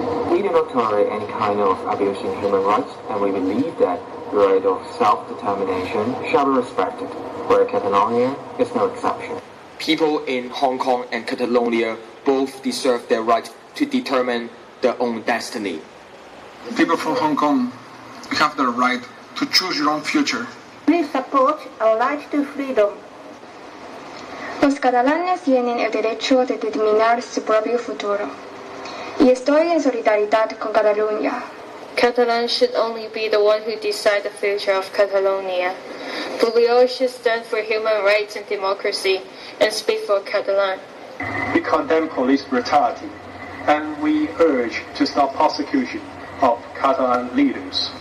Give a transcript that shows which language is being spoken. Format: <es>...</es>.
<en>We do not tolerate any kind of abuse in human rights, and we believe thatThe right of self-determination shall be respected, where Catalonia is no exception. People in Hong Kong and Catalonia both deserve their right to determine their own destiny. People from Hong Kong, you have the right to choose your own future. Please support our right to freedom.</en> <es>Los catalanes tienen el derecho de determinar su propio futuro. Y estoy en solidaridad con Cataluña.</es> <en>Catalans should only be the one who decide the future of Catalonia. But we all should stand for human rights and democracy and speak for Catalan. We condemn police brutality and we urge to stop persecution of Catalan leaders.</en>